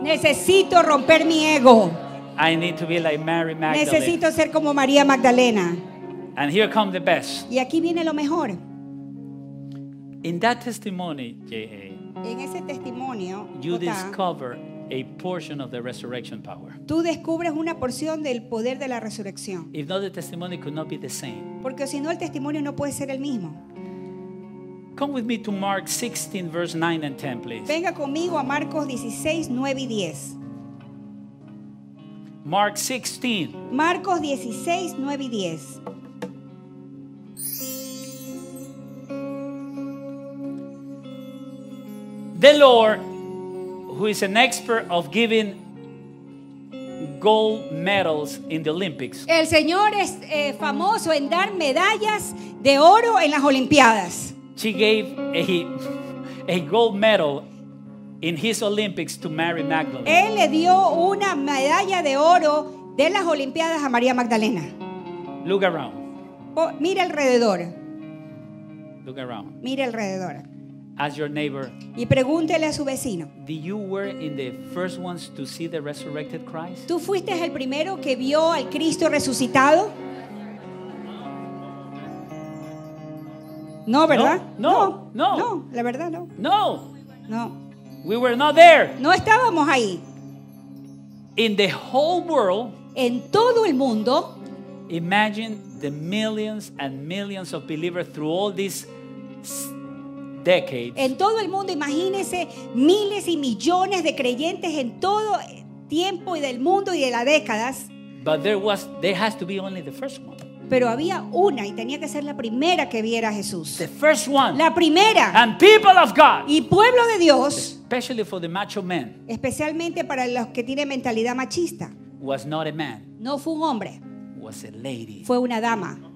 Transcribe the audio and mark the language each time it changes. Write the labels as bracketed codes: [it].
[es] Necesito romper mi ego. [en] I need to be like Mary Magdalene. [es] Necesito ser como María Magdalena. [en] And here comes the best. [es] Y aquí viene lo mejor. [en] In that testimony, J.A., [es] en ese testimonio, [en] you discover a portion of the resurrection power. [es] Tú descubres una porción del poder de la resurrección. [en] If not, the testimony could not be the same. [es] Porque si no, el testimonio no puede ser el mismo. [en] Come with me to Mark 16, verse 9 and 10, please. [es] Venga conmigo a Marcos 16, 9 y 10. [en] Mark 16. [es] Marcos 16, 9 y 10. [en] The Lord, who is an expert of giving gold medals in the Olympics. [es] El Señor es famoso en dar medallas de oro en las Olimpiadas. [en] She gave a gold medal in his Olympics to Mary Magdalene. [es] Él le dio una medalla de oro de las Olimpiadas a María Magdalena. [en] Look around. [es] Mira alrededor. [en] Look around. [es] Mira alrededor. [en] As your neighbor. [es] Y pregúntele a su vecino. [en] Did you were in the first ones to see the resurrected Christ? [es] ¿Tú fuiste el primero que vio al Cristo resucitado? No, ¿verdad? No, no, no, no. La verdad no. No. No. [en] We were not there. [es] No estábamos ahí. [en] In the whole world. [es] En todo el mundo. [en] Imagine the millions and millions of believers through all these decades. [es] En todo el mundo, imagínese miles y millones de creyentes en todo tiempo y del mundo y de las décadas. [en] But there has to be only the first one. [es] Pero había una y tenía que ser la primera que viera a Jesús. [en] The first one. [es] La primera. [en] And people of God. [es] Y pueblo de Dios. [en] Especially for the macho men. [es] Especialmente para los que tienen mentalidad machista. [en] Was not a man. [es] No fue un hombre. [en] Was a lady. [es] Fue una dama.